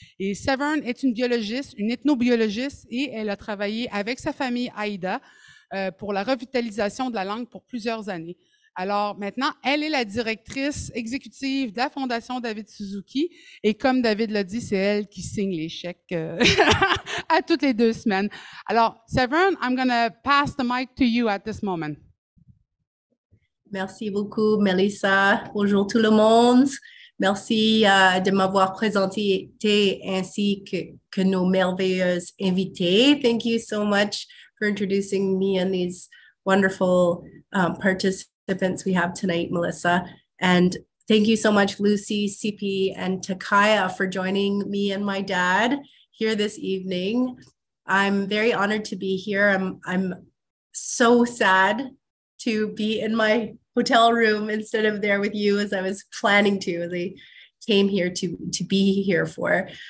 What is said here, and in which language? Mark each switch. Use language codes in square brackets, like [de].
[fr] Et Severn est une biologiste, une ethnobiologiste, et elle a travaillé avec sa famille Aïda pour la revitalisation de la langue pour plusieurs années. Alors maintenant, elle est la directrice exécutive de la Fondation David Suzuki. Et comme David l'a dit, c'est elle qui signe les chèques à toutes les deux semaines. [en] Alors, Severn, I'm going to pass the mic to you at this moment. [fr] Merci beaucoup, Melissa. Bonjour tout le monde. Merci de m'avoir présenté ainsi que nos merveilleuses invitées. [en] Thank you so much for introducing me and these wonderful participants we have tonight, Melissa. And thank you so much, Lucy, Sipi, and Takaya for joining me and my dad here this evening. I'm very honored to be here. I'm so sad to be in my hotel room instead of there with you, as I was planning to, as I came here to be here for.